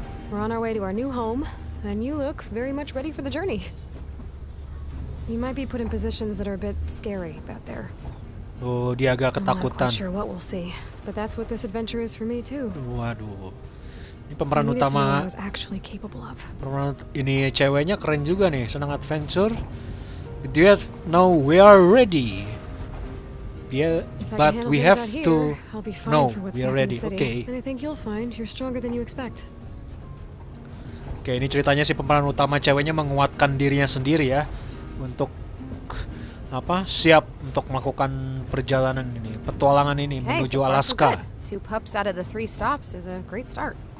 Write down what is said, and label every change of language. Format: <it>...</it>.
<en>We're on our way to our new home, and you look very much ready for the journey. You might be put in positions that are a bit scary out there.</en> <id>Oh, dia agak ketakutan.</id> <en>I'm not quite sure what we'll see, but that's what this adventure is for me, too.</en> <id>Waduh. Ini pemeran utama. Pemeran ini ceweknya keren juga nih, senang adventure.</id> <en>Do you know we are ready? But we have to know we are ready. Okay. And I think you'll find you're stronger than you expect.</en> <id>Okay, ini ceritanya si pemeran utama ceweknya menguatkan dirinya sendiri ya untuk apa? Siap untuk melakukan perjalanan ini, petualangan ini menuju Alaska.</id> <en>Two pups out of the three stops is a great start.</en>